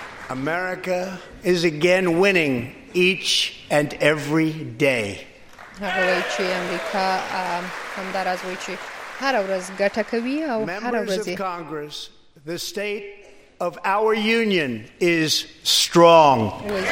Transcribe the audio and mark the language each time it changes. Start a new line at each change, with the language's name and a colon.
English: America is again winning each and every day.
Pashto: هغوی امریکا همداراز وایي چې هر ورځ ګټه کوي او هر ورځ
English: Members of Congress, the state of our union is strong.